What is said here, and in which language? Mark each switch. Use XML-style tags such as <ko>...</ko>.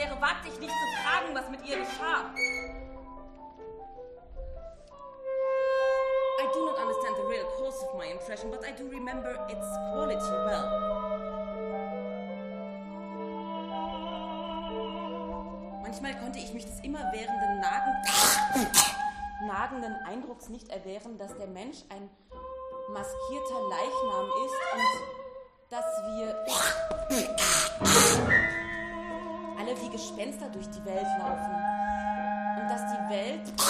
<de>wagte ich nicht zu fragen, was mit ihr geschah.</de> <en>I do not understand the real course of my impression, but I do remember its quality well.</en> <de>Manchmal konnte ich mich des immerwährenden nagenden Eindrucks nicht erwehren, dass der Mensch ein maskierter Leichnam ist und dass wir alle wie Gespenster durch die Welt laufen und dass die Welt,</de>